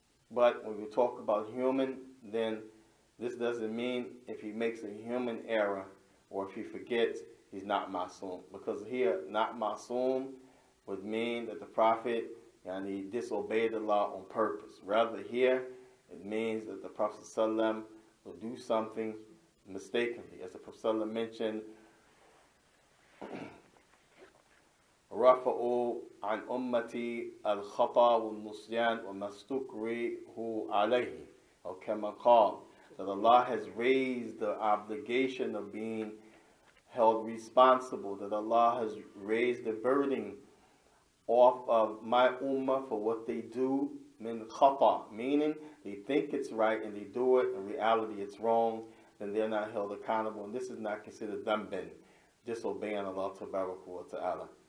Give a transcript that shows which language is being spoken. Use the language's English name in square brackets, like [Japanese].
[English] But when we talk about human, then this doesn't mean if he makes a human error or if he forgets, he's not ma'soom. Because here, not ma'soom would mean that the Prophet, and he disobeyed Allah on purpose. Rather here, it means that the Prophet Sallam will do something mistakenly. As the Prophet Sallam mentioned, [Arabic] رفعوا عن أمتي الخطأ والنسيان وما استكره عليه أو كما قال. [English] That Allah has raised the obligation of being held responsible, that Allah has raised the burden off of my ummah for what they do, [Arabic] من خطأ, [English] meaning they think it's right and they do it, in reality it's wrong, then they're not held accountable, and this is not considered dhanbin, disobeying Allah Tabaraka wa Ta'ala.